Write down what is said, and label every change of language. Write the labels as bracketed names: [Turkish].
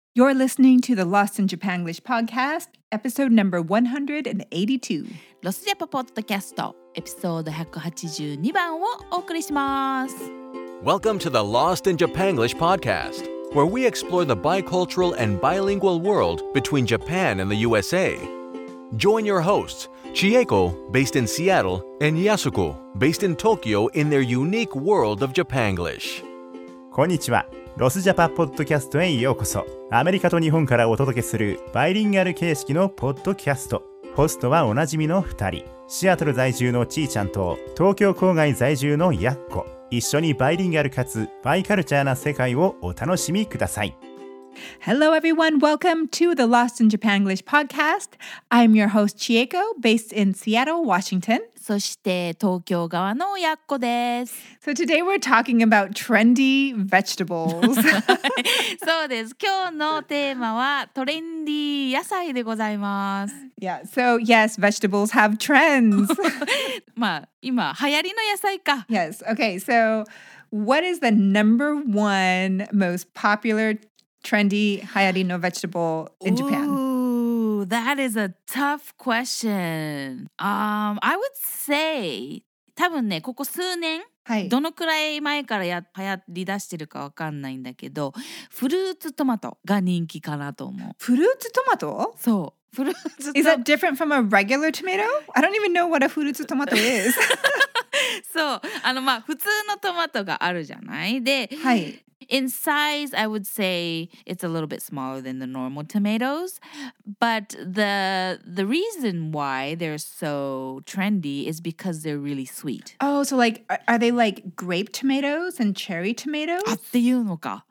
[English] You're listening to the Lost in Japanglish podcast, episode number 182. [Japanese] ロスジャパポッドキャスト、エピソード182番をお送りします。 [English] Welcome to the Lost in Japanglish podcast, where we explore the bicultural and bilingual world between Japan and the USA. Join your hosts, Chieko, based in Seattle, and Yasuko, based in Tokyo, in their unique world of Japanglish. [Japanese] こんにちは。ロスジャパポッドキャストへようこそ。アメリカと日本からお届けするバイリンガル形式のポッドキャスト。ホストはおなじみの2人、シアトル在住のちーちゃんと東京郊外在住のやっこ。一緒にバイリンガルかつバイカルチャーな世界をお楽しみください。 [English] Hello everyone, welcome to the Lost in Japanglish podcast. I'm your host Chieko, based in Seattle, Washington. [Japanese] そして東京側のやっこです。 [English] So today we're talking about trendy vegetables. [Japanese] そうです。今日のテーマはトレンディー野菜でございます。 [English] Yeah, so yes, vegetables have trends. [Japanese] まあ今流行りの野菜か。 [English] Yes, okay, so what is the number one most popular trendy [Japanese] 流行りの [English] vegetable in Japan? Ooh, that is a tough question. I would say, [Japanese] 多分ね、ここ数年、はい、どのくらい前から流行り出してるかわかんないんだけど、フルーツトマトが人気かなと思う。フルーツトマト？そう。 [English] Is that different from a regular tomato? I don't even know what a fruit tomato is. So, [Japanese] あのまあ普通のトマトがあるじゃない。で、はい。 [English] In size, I would say it's a little bit smaller than the normal tomatoes. But the reason why they're so trendy is because they're really sweet. Oh, so like, are they like grape tomatoes and cherry tomatoes? [Japanese] あっていうのか。